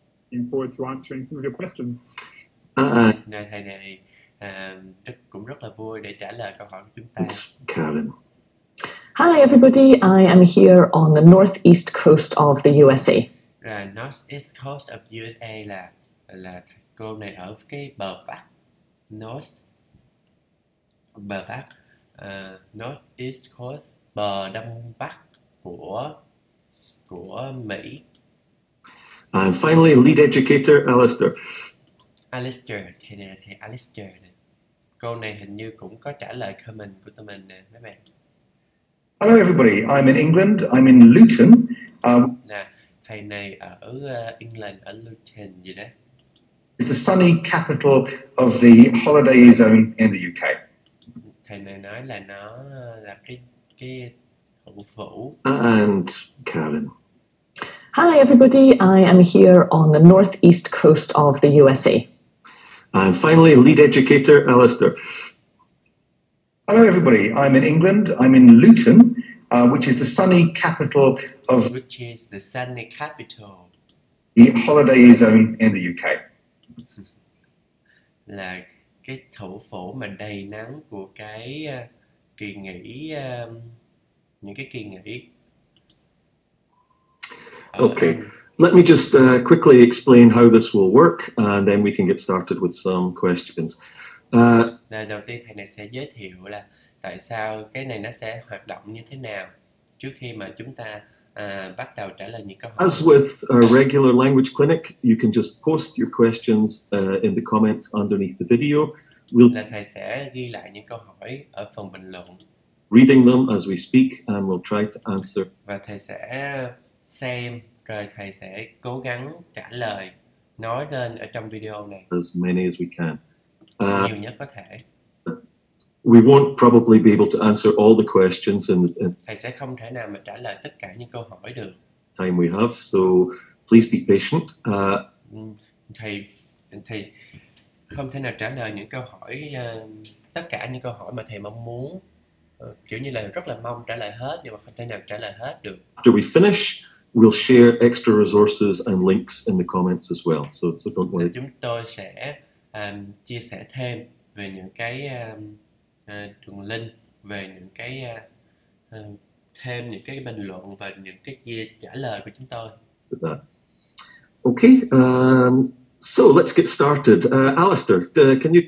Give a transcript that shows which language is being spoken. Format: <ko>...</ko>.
<en>Looking forward to answering some of your questions.</en> <vi>Thầy này cũng rất là vui để trả lời câu hỏi của chúng ta.</vi> <en>It's Karen. Hi everybody, I am here on the northeast coast of the USA. Right, northeast coast of USA</en> <vi>là cô này ở cái bờ bắc,</vi> <en>northeast coast,</en> <vi>bờ đông bắc của Mỹ.</vi> <en>And finally, lead educator Alistair.</en> <vi>Alistair, thầy Alistair nè. Cô này hình như cũng có trả lời comment của tụi mình nè, mấy bạn.</vi> <en>Hello everybody, I'm in England, I'm in Luton.</en> <vi>Nè, thầy này ở England, ở Luton gì đó.</vi> <en>It's the sunny capital of the holiday zone in the UK.</en> <vi>Thầy này nói là nó là cái thủ phủ.</vi> <en>And Karen. Hi everybody, I am here on the northeast coast of the USA. And finally, lead educator Alistair. Hello everybody, I'm in England, I'm in Luton, which is the sunny capital of... Which is the sunny capital. The holiday zone in the UK.</en> <vi>Là cái thủ phủ mà đầy nắng của cái kỳ nghỉ, những cái kỳ nghỉ.</vi> <en>Okay, let me just quickly explain how this will work, and then we can get started with some questions.</en> <vi>Đầu tiên thầy này sẽ giới thiệu là tại sao cái này nó sẽ hoạt động như thế nào trước khi mà chúng ta bắt đầu trả lời những câu hỏi.</vi> <en>As with a regular language clinic, you can just post your questions in the comments underneath the video. We'll</en> <vi>thầy sẽ ghi lại những câu hỏi ở phần bình luận.</vi> <en>Reading them as we speak, and we'll try to answer.</en> <vi>Và thầy sẽ xem, rồi thầy sẽ cố gắng trả lời, nói lên ở trong video này.</vi> <en>As many as we can.</en> <vi>Nhiều nhất có thể.</vi> <en>We won't probably be able to answer all the questions and</en> <vi>thầy sẽ không thể nào mà trả lời tất cả những câu hỏi được.</vi> <en>Time we have, so please be patient.</en> <vi>Thầy không thể nào trả lời những câu hỏi, tất cả những câu hỏi mà thầy mong muốn. Kiểu như là rất là mong trả lời hết, nhưng mà không thể nào trả lời hết được.</vi> <en>After we finish, we'll share extra resources and links in the comments as well. So don't worry.</en> <vi>Chúng tôi sẽ chia sẻ thêm về những cái đường link, về những cái thêm những cái bình luận và những cái chia trả lời của chúng tôi.</vi> <en>Okay, so let's get started. Alistair, can you...</en>